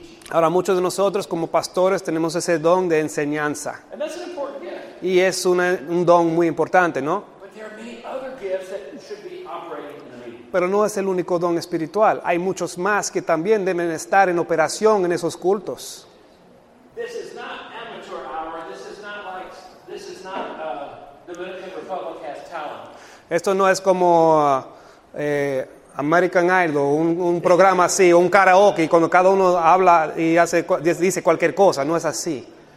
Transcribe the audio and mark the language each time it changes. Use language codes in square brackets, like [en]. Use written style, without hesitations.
[es] Ahora, muchos de nosotros como pastores tenemos ese don de enseñanza. [en] And that's an important gift. [es] Y es un don muy importante, ¿no? [en] But there are many other gifts that should be operating in the meeting. [es] Pero no es el único don espiritual. Hay muchos más que también deben estar en operación en esos cultos. [en] This is not amateur hour. This is not Dominican Republic has talent. [es] Esto no es como American Idol, un programa así, un karaoke, cuando cada uno habla y hace, dice cualquier cosa, no es así.